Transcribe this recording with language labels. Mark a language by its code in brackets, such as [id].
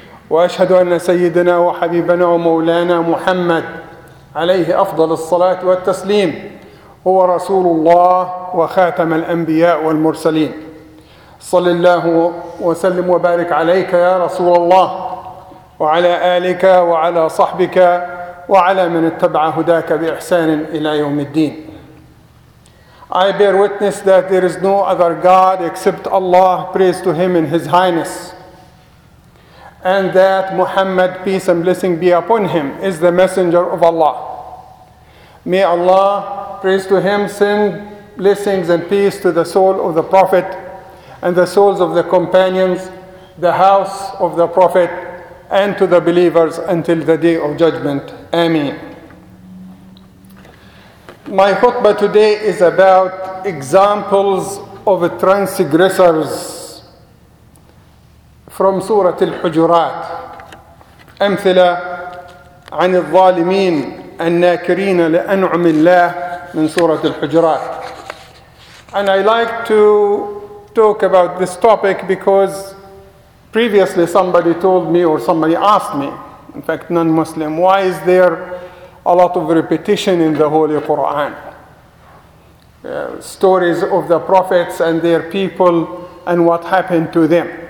[ar] وأشهد أن سيدنا وحبيبنا ومولانا محمد عليه أفضل الصلاة والتسليم هو رسول الله وخاتم الأنبياء والمرسلين. صل الله وسلم وبارك عليك يا رسول الله، وعلى آلك وعلى صحبك وعلى من اتبع هداك بإحسان إلى يوم الدين. [en] I bear witness that there is no other God except Allah, praise to Him and His Highness, and that Muhammad, peace and blessing be upon him, is the messenger of Allah. May Allah, praise to Him, send blessings and peace to the soul of the Prophet and the souls of the companions, the house of the Prophet, and to the believers until the Day of Judgment. Ameen. My khutbah today is about examples of transgressors from Surah Al-Hujurat. [ar] Amthila عن الظالمين الناكرين لأنعم الله من سورة الحجرات. [en] And I like to talk about this topic because previously somebody told me or somebody asked me, in fact non-Muslim, why is there a lot of repetition in the Holy Quran? Stories of the prophets and their people and what happened to them.